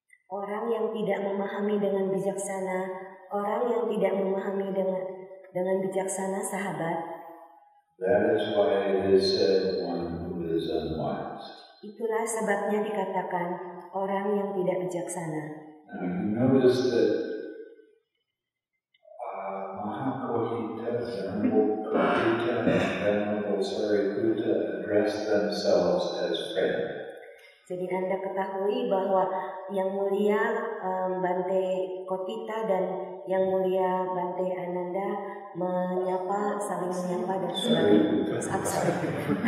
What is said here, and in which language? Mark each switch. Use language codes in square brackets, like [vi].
[id] Orang yang tidak memahami dengan bijaksana, orang yang tidak memahami dengan bijaksana, sahabat. [en] That is why it is said one who is unwise. [id] Itulah sebabnya dikatakan orang yang tidak bijaksana. [en] Now you notice that Mahāvedalla and Venerable Sariputta address themselves as friend. [id] Jadi Anda ketahui bahwa yang mulia Bante Kotita dan yang mulia Bante Ananda menyapa, saling menyapa dan sebagainya.